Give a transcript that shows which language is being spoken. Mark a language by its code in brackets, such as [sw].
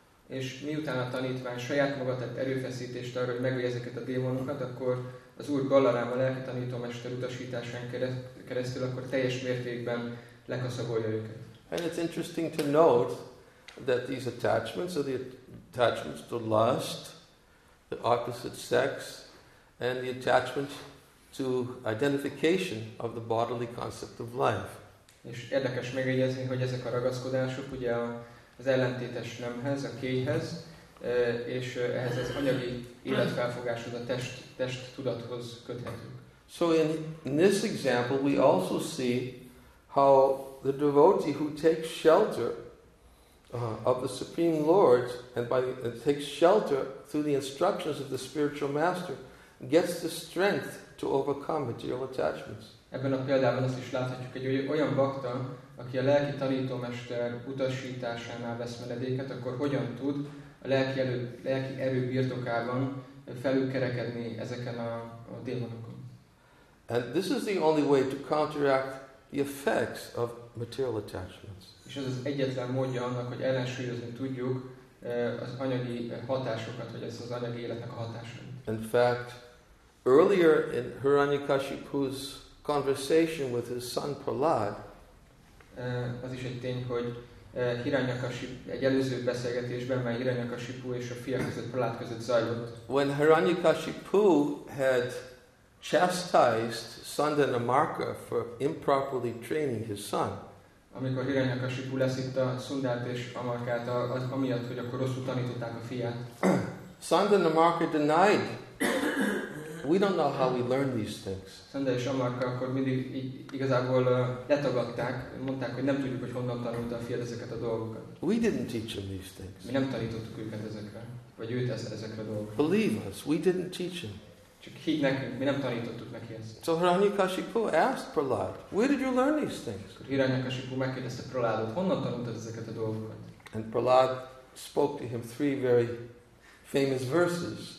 [hu] És miután a tanítvány saját maga tett erőfeszítést arra, hogy megölje ezeket a démonokat, akkor az Úr Balaram, a lelki tanító mester utasításán keresztül, akkor teljes mértékben lekaszabolja őket. [en] And it's interesting to note that these attachments are the attachments to lust, the opposite sex, and the attachment to identification of the bodily concept of life. [hu] És érdekes megjegyezni, hogy ezek a ragaszkodások ugye az ellentétes nemhez, a kéhez, és ehhez az anyagi életfelfogáshoz, a test tudathoz köthetők. [en] So in this example we also see how the devotee who takes shelter of the Supreme Lord and by takes shelter through the instructions of the spiritual master gets the strength to overcome material attachments. [hu] Ebben a példában azt is láthatjuk, hogy olyan bhakta, aki a lelki tanítómester utasításánál vesz menedéket, akkor hogyan tud a lelki erő birtokában felülkerekedni ezeken a démonokon. [en] And this is the only way to counteract the effects of material attachments. [hu] És ez az egyetlen módja annak, hogy ellensúlyozni tudjuk az anyagi hatásokat, vagy az anyagi életnek a hatásait. [en] In fact, earlier in Hiranyakashipu's conversation with his son Prahlad, [hu] az is egy tény, hogy Hiranyakashipu egy előző beszélgetésben, mert Hiranyakashipu és a fia között, Prahlad között zajlott. [en] When Hiranyakashipu had chastised Sundanamarka for improperly training his son, [hu] amikor Hiranyakashipu leszitta Sundát és Amarkát amiatt, hogy akkor rosszul tanították a fiát. [en] Sundanamarka denied. We don't know how we learn these things. [hu] Sunda és Amarka akkor mindig igazából letagadták, mondták, hogy nem tudjuk, hogy honnan tanulta a fiát ezeket a dolgokat. [en] We didn't teach him these things. [hu] Mi nem tanítottuk őket ezekre, vagy őt ezekre a dolgokra. [en] Believe us, we didn't teach him. [hu] Csak hidd nekünk, mi nem tanítottuk neki ezt. [en] So Hiranyakashipu asked Prahlad, where did you learn these things? [hu] Hiranyakashipu megkérdezte Prahladot, honnan tanultad ezeket a dolgokat? [en] And Prahlad spoke to him three very famous verses.